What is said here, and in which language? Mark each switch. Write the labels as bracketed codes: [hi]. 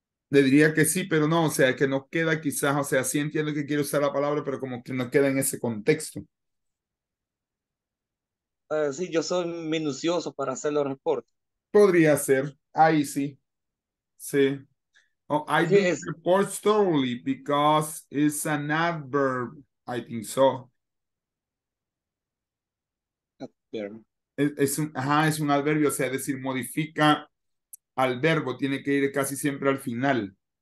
[es] Le diría que sí, pero no, o sea, que no queda quizás, o sea, sí entiendo que quiere usar la palabra, pero como que no queda en ese contexto. Sí, yo soy minucioso para hacer los reportes. Podría ser, ahí sí. Sí. [en] Oh, I do report thoroughly because it's an adverb, I think so. Adverb. [es] Es un adverbio, o sea, decir, modifica al verbo, tiene que ir casi siempre al final.